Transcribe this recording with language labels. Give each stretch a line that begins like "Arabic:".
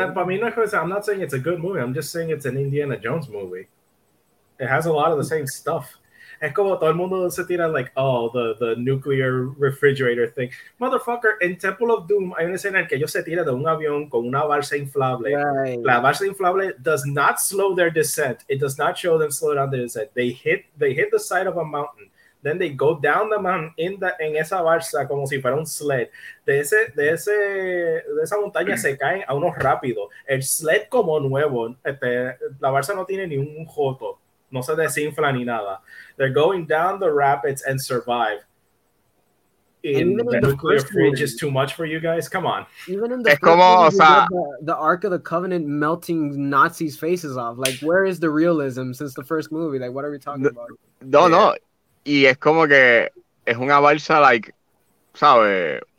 English: I'm not saying it's a good movie, I'm just saying it's an Indiana Jones movie. It has a lot of the same stuff.
Spanish: Es como todo el mundo se tira like,
English: oh, the nuclear refrigerator thing.
Spanish: Motherfucker, en Temple of Doom hay una escena en que ellos se tiran de un avión con una balsa inflable.
English: Right.
Spanish: La balsa inflable
English: does not slow their descent. It does not show them slow down their descent. They hit the side of a mountain. Then they go down the mountain
Spanish: en esa balsa como si fuera un sled. De esa montaña se caen a unos rápidos. El sled como nuevo. La balsa no tiene ni un joto. No se desinfla ni nada.
English: They're going down the rapids and survive. Even in the first movie, is too much for you guys. Come on. Even in the the Ark of the Covenant melting Nazis' faces off. Like, where is the realism since the first movie? Like, what are we talking about? No, yeah. No.
Spanish: Y es como que es una balsa, like, ¿sabes?